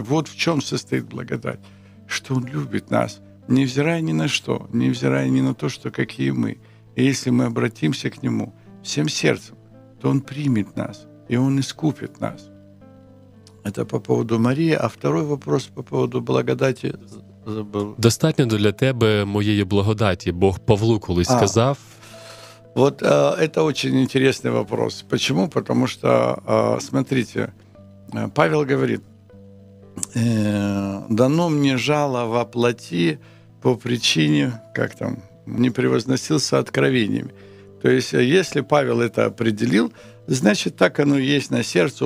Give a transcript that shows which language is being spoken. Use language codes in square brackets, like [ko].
[ru] Вот в чем состоит благодать. Что Он любит нас, невзирая ни на что, невзирая ни на то, что какие мы. И если мы обратимся к Нему всем сердцем, то Он примет нас, и Он искупит нас. Это по поводу Марии. А второй вопрос по поводу благодати забыл. [uk] «Достатньо для тебе моєї благодати», Бог Павлу колись сказав. [ru] Вот это очень интересный вопрос. Почему? Потому что, смотрите, Павел говорит: «Дано мне жало во плоти по причине», как там, не превозносился откровениями. То есть, если Павел это определил, значит, так оно и есть на сердце.